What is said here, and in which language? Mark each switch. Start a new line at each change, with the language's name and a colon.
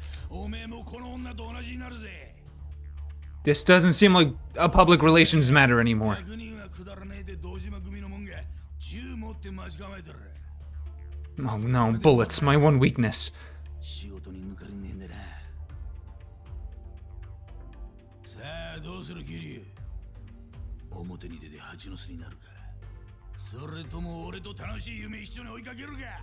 Japanese: おめえもこの女と同じになるぜ。
English: This doesn't seem like a public relations matter anymore.
Japanese: 100人はくだらねえで道島組のもんが銃持って待ち構えてる。
English: Oh no, bullets, my one weakness.
Japanese: 仕事に抜かりねえんだな。さあどうする、キリュウ。表に出て蜂の巣になるか、それとも俺と楽しい夢一緒に追いかけるか。